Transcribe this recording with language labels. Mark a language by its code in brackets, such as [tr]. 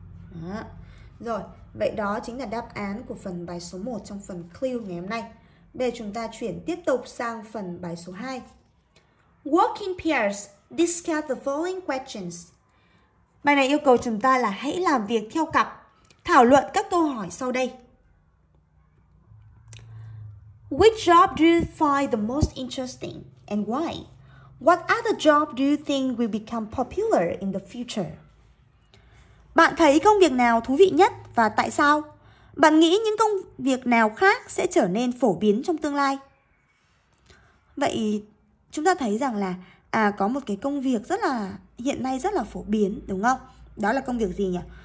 [vi] Đó. Rồi, vậy đó chính là đáp án của phần bài số 1 trong phần clue ngày hôm nay. Bây giờ chúng ta chuyển tiếp tục sang phần bài số 2. [en] Work in pairs, discuss the following questions. [vi] Bài này yêu cầu chúng ta là hãy làm việc theo cặp, thảo luận các câu hỏi sau đây. [en] Which job do you find the most interesting and why? What other job do you think will become popular in the future? [vi] Bạn thấy công việc nào thú vị nhất và tại sao? Bạn nghĩ những công việc nào khác sẽ trở nên phổ biến trong tương lai? Vậy chúng ta thấy rằng là có một cái công việc rất là hiện nay rất là phổ biến, đúng không? Đó là công việc gì nhỉ?